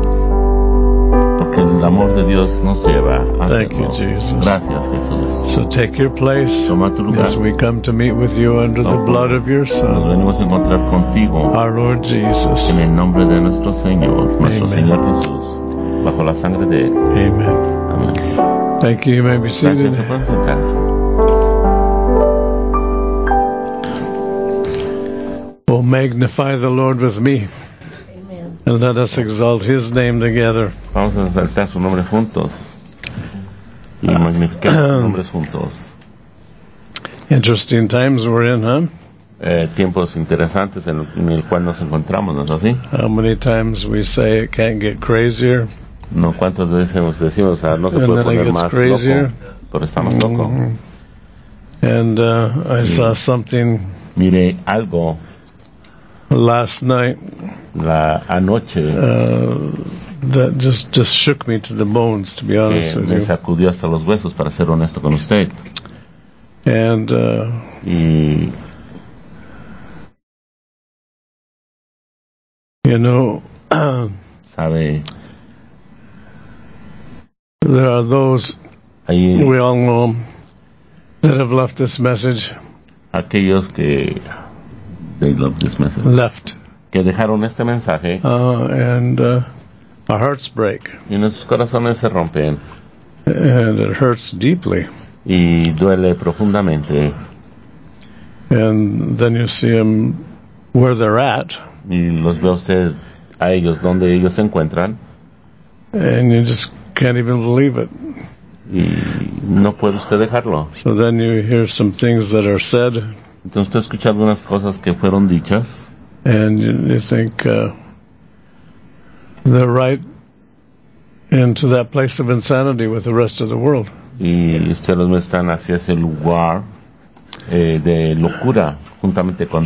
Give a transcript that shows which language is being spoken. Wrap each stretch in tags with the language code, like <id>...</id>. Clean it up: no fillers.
<es>El amor de Dios nos lleva a hacerlo.</es> <en>Thank you, Jesus.</en> <es>Gracias, Jesús.</es> <en>So take your place.</en> <es>Toma tu lugar.</es> <en>As we come to meet with you under the blood of your Son.</en> <es>Nos venimos a encontrar contigo.</es> <en>Our Lord Jesus.</en> <es>En el nombre de nuestro Señor, nuestro Amen. Señor Jesús, bajo la sangre de él. Amen. Amen.</es> <en>Thank you. You may be seated.</en> <es>Gracias, se pueden sentar.</es> <en>Oh, magnify the Lord with me. And let us exalt his name together.</en> <es>Vamos a exaltar su nombre juntos. Y magnificar sus nombres juntos.</es> <en>Interesting times we're in, huh?</en> <es>Tiempos interesantes en el cual nos encontramos, ¿no es así?</es> <en>How many times we say it can't get crazier?</en> <es>No, ¿cuántas veces decimos, o sea, no se puede poner más crazier. Loco? Pero estamos loco.</es> <en>And I saw something.</en> <es>Mire algo.</es> <en>Last night.</en> <es>La anoche.</es> <en>That just shook me to the bones, to be honest with you.</en> <es>Me sacudió hasta los huesos, para ser honesto con usted.</es> <en>And you know,</en> <es>sabe,</es> <en>there are those we all know that have left this message.</en> <es>Aquellos que</es> <en>they love this message. Left.</en> <es>Que dejaron este mensaje.</es> <en>And our hearts break.</en> <es>Y nuestros corazones se rompen.</es> <en>And it hurts deeply.</en> <es>Y duele profundamente.</es> <en>And then you see them where they're at.</en> <es>Y los ve usted a ellos donde ellos se encuentran.</es> <en>And you just can't even believe it.</en> <es>Y no puede usted dejarlo.</es> <en>So then you hear some things that are said.</en> <es>Entonces usted escucha algunas cosas que fueron dichas.</es> <en>And you think they're right into that place of insanity with the rest of the world.</en> <es>Y ustedes están hacia ese lugar de locura juntamente con</es>